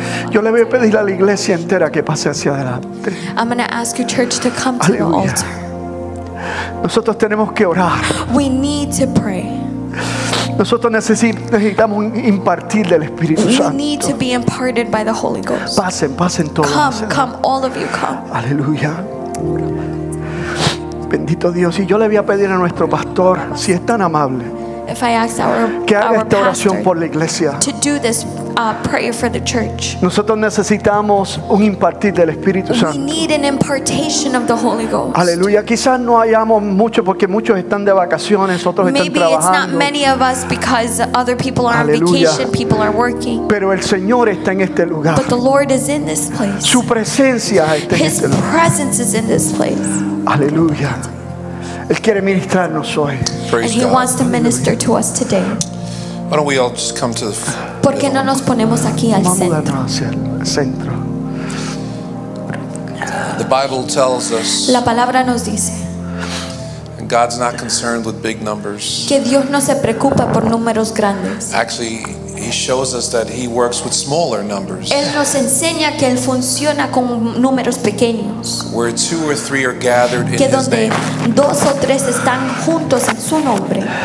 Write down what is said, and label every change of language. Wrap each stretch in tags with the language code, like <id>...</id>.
<es>Yo le voy a pedir a la iglesia entera que pase hacia adelante.</es> <en>I'm going to ask your church to come to</en> <es>Aleluya.</es> <en>The altar.</en> <es>Nosotros tenemos que orar.</es> <en>We need to pray.</en> <es>Nosotros necesitamos impartir del Espíritu Santo.</es> <en>We need to be imparted by the Holy Ghost.</en> <es>Pasen, pasen todos.</es> <en>Come, come, all of you, come.</en> <es>Aleluya. Bendito Dios. Y yo le voy a pedir a nuestro pastor, si es tan amable,</es> <en>if I ask our,</en> <es>que haga</es> <en>our</en> <es>esta oración por la iglesia.</es> <en>To do this prayer for the church.</en> <es>Nosotros necesitamos un impartir del Espíritu Santo.</es> <en>We need an impartation of the Holy Ghost.</en> <es>Aleluya. Quizás no hayamos mucho porque muchos están de vacaciones, otros</es> <en>Maybe</en> <es>están trabajando.</es> <en>Maybe it's not many of us because other people are</en> <es>Aleluya.</es> <en>On vacation, people are working.</en> <es>Pero el Señor está en este lugar.</es> <en>But the Lord is in this place.</en> <es>Su presencia está</es> <en>His</en> <es>en este lugar.</es> <en>His presence is in this place.</en> <es>Aleluya. Él quiere ministrarnos hoy.</es> <en>Praise and He God. Wants to minister to us today. Why don't we all just come to the</en> <es>¿Por qué no nos ponemos aquí al centro? Vamos al centro.</es> <en>The Bible tells us</en> <es>La palabra nos dice</es> <en>And God's not concerned with big numbers.</en> <es>Que Dios no se preocupa por números grandes.</es> <en>Actually, He shows us that He works with smaller numbers.</en> <es>Él nos enseña que Él funciona con números pequeños.</es> <en>Where two or three are gathered</en> <es>que</es> <en>in His name.</en> <es>Dos o tres están juntos en su nombre.</es>